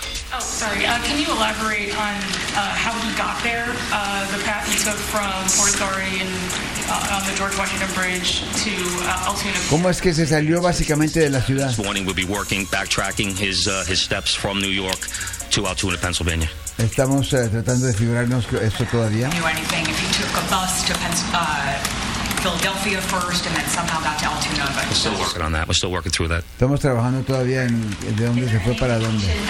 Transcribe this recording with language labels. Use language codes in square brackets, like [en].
[en] Can you elaborate on how he got there? The path he took from Port Authority and on the George Washington Bridge to Altoona. [es] ¿Cómo es que se salió básicamente de la ciudad? [en] This morning we'll be working, backtracking his steps from New York to Altoona, Pennsylvania. [es] Estamos tratando de figurarnos esto todavía. [en] Knew anything if he took a bus to Philadelphia first and then somehow got to Altoona. But we're still working on that. We're still working through that. [es] Estamos trabajando todavía en de dónde se fue para dónde.